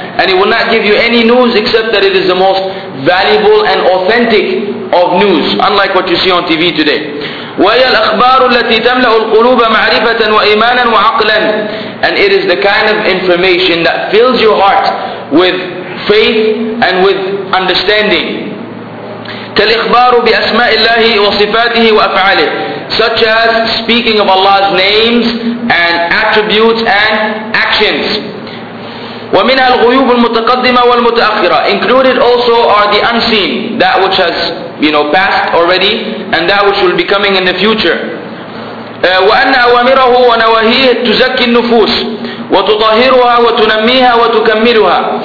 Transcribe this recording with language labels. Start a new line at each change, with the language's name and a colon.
English: And it will not give you any news except that it is the most valuable and authentic of news, unlike what you see on TV today.
Arabic: وَهِيَ الْأَخْبَارُ الَّتِي تَمْلَأُ الْقُلُوبَ مَعْرِفَةً وَإِيمَانًا وَعَقْلًا.
English: And it is the kind of information that fills your heart with faith and with understanding.
Arabic: كالإخبار بأسماء الله وصفاته وأفعاله.
English: Such as speaking of Allah's names and attributes and actions.
Arabic: ومنها الغيوب المتقدمة والمتأخرة.
English: Included also are the unseen, that which has, you know, passed already, and that which will be coming in the future.
Arabic: وأن أوامره ونواهيه تزكي النفوس وتطهرها وتنميها وتكملها.